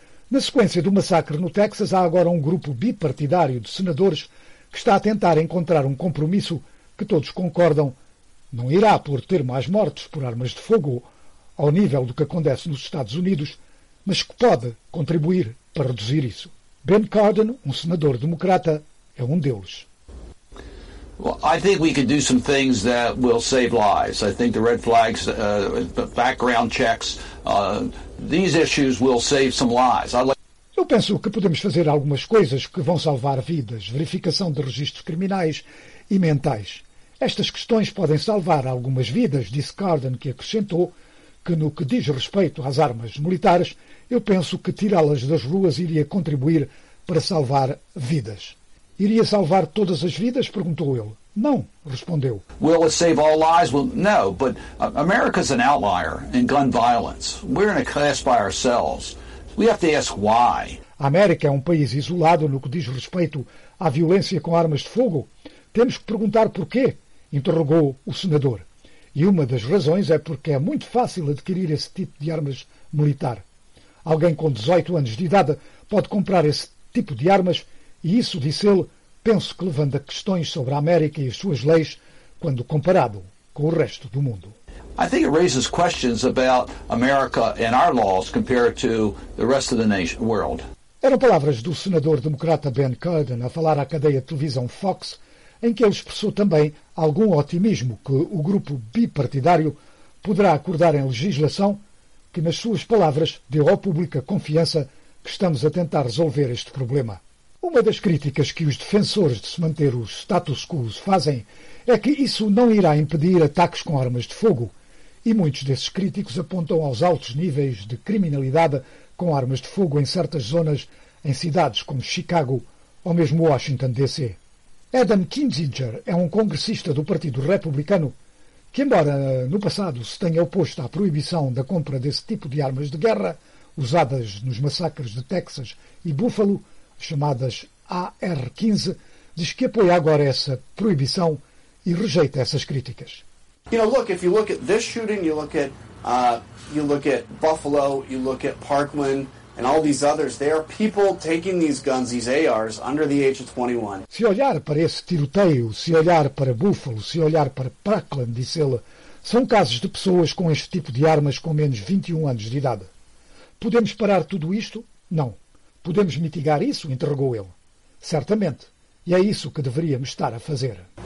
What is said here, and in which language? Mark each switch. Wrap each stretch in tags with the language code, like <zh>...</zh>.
<pt>Na sequência do massacre no Texas, há agora um grupo bipartidário de senadores que está a tentar encontrar um compromisso que todos concordam não irá por ter mais mortes por armas de fogo ao nível do que acontece nos Estados Unidos, mas que pode contribuir para reduzir isso. Ben Cardin, um senador democrata, é um deles.</pt> <en>Well, I think we could do some things that will save lives. I think the red flags, background checks, these issues will save some lives.</en> <pt>Eu penso que podemos fazer algumas coisas que vão salvar vidas, verificação de registros criminais e mentais. Estas questões podem salvar algumas vidas, disse Cardin, que acrescentou que, no que diz respeito às armas militares, eu penso que tirá-las das ruas iria contribuir para salvar vidas. Iria salvar todas as vidas? Perguntou ele. Não, respondeu.</pt> <en>Will it save all lives? Well, no, but America's an outlier in gun violence. We're in a class by ourselves. We have to ask why.</en> <pt>A América é um país isolado no que diz respeito à violência com armas de fogo? Temos que perguntar porquê, interrogou o senador. E uma das razões é porque é muito fácil adquirir esse tipo de armas militar. Alguém com 18 anos de idade pode comprar esse tipo de armas e isso, disse ele, penso que levanta questões sobre a América e as suas leis quando comparado com o resto do mundo.</pt> <en>I think it raises questions about America and our laws compared to the rest of the world.</en> <pt>Eram palavras do senador democrata Ben Cardin a falar à cadeia de televisão Fox, em que ele expressou também algum otimismo que o grupo bipartidário poderá acordar em legislação que, nas suas palavras, deu ao público a confiança que estamos a tentar resolver este problema. Uma das críticas que os defensores de se manter o status quo fazem é que isso não irá impedir ataques com armas de fogo. E muitos desses críticos apontam aos altos níveis de criminalidade com armas de fogo em certas zonas, em cidades como Chicago ou mesmo Washington, D.C. Adam Kinzinger é um congressista do Partido Republicano que, embora no passado se tenha oposto à proibição da compra desse tipo de armas de guerra, usadas nos massacres de Texas e Buffalo, chamadas AR-15, diz que apoia agora essa proibição e rejeita essas críticas.</pt> <en>You know, look, if you look at this shooting, you look at Buffalo, you look at Parkland and all these others, they are people taking these guns, these ARs, under the age of 21.</en> <pt>Se olhar para esse tiroteio, se olhar para Buffalo, se olhar para Parkland, disse ele, são casos de pessoas com este tipo de armas com menos de 21 anos de idade. Podemos parar tudo isto? Não. Podemos mitigar isso? Interrogou ele. Certamente. E é isso que deveríamos estar a fazer.</pt>